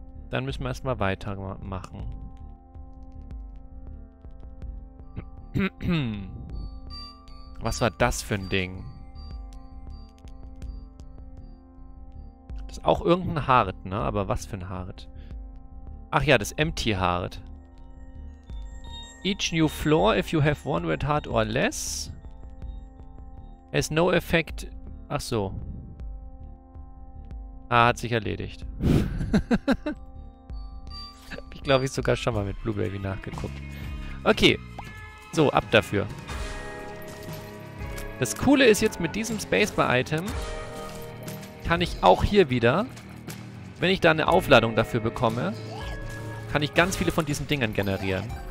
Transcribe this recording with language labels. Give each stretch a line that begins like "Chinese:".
German: Dann müssen wir erstmal weitermachen. Was war das für ein Ding? Das ist auch irgendein Hard, ne? Aber was für ein Hard? Ach ja, das Empty Hard.
English: Each new floor, if you have one red heart or less, has no effect.
German: Ach so. Ah, hat sich erledigt. Hab ich, glaube ich, sogar schon mal mit Blue Baby nachgeguckt. Okay. So, ab dafür. Das Coole ist jetzt mit diesem Spacebar-Item, kann ich auch hier wieder, wenn ich da eine Aufladung dafür bekomme, kann ich ganz viele von diesen Dingern generieren.